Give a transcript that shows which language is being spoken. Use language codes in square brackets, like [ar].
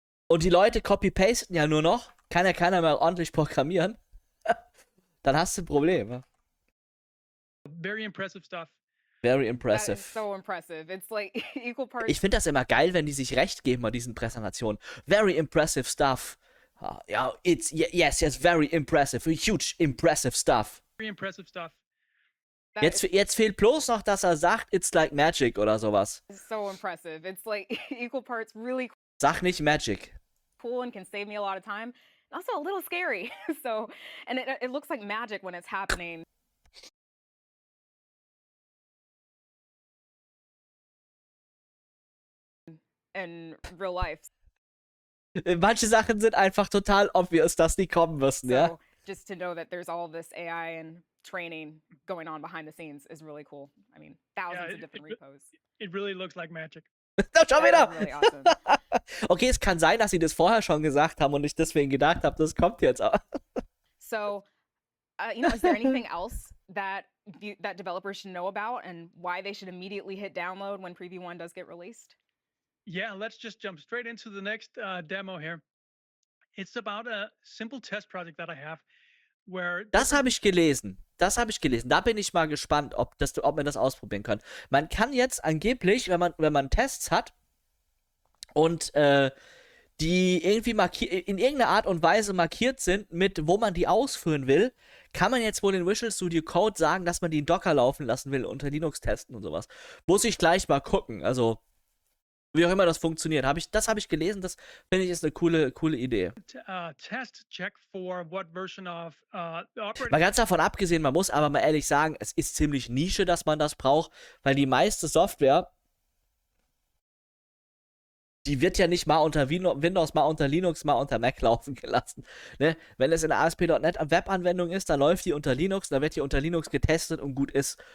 [de] Und die Leute copy-pasten ja nur noch, kann ja keiner mehr ordentlich programmieren, dann hast du Probleme. [en] Very impressive stuff. Very impressive. That is so impressive. It's like equal parts. [de] Ich finde das immer geil, wenn die sich recht geben bei diesen Präsentationen. [en] Very impressive stuff. Ja, it's yes, very impressive. Huge impressive stuff. Very impressive stuff. [de] Jetzt fehlt bloß noch, dass er sagt, [en] it's like magic [de] oder sowas. [en] So impressive. It's like equal parts really cool. [de] Sag nicht magic. [en] Cool and can save me a lot of time. Also a little scary. So, and it looks like magic when it's happening. In real life. [de] Manche Sachen sind einfach total obvious, dass die kommen müssen, ja? [en] So, just to know that there's all this AI and training going on behind the scenes is really cool. I mean, thousands of different repos. It really looks like magic. [de] Da, schau wieder! Okay, es kann sein, dass sie das vorher schon gesagt haben und ich deswegen gedacht habe, das kommt jetzt auch. [en] So, you know, is there anything else that developers should know about and why they should immediately hit download when Preview 1 does get released? Yeah, let's just jump straight into the next demo here. It's about a simple test project that I have where... [de] Das habe ich gelesen. Das habe ich gelesen. Da bin ich mal gespannt, ob man das ausprobieren kann. Man kann jetzt angeblich, wenn man Tests hat und die irgendwie in irgendeiner Art und Weise markiert sind, mit wo man die ausführen will, kann man jetzt wohl in Visual Studio Code sagen, dass man die in Docker laufen lassen will, unter Linux testen und sowas. Muss ich gleich mal gucken. Also, wie auch immer das funktioniert. Das habe ich gelesen. Das finde ich ist eine coole Idee. [en] Test check for what version of operating. [de] Mal ganz davon abgesehen, man muss aber mal ehrlich sagen, es ist ziemlich Nische, dass man das braucht, weil die meiste Software, die wird ja nicht mal unter Windows, mal unter Linux, mal unter Mac laufen gelassen. Ne? Wenn es in der ASP.NET Webanwendung ist, dann läuft die unter Linux, dann wird die unter Linux getestet und gut ist.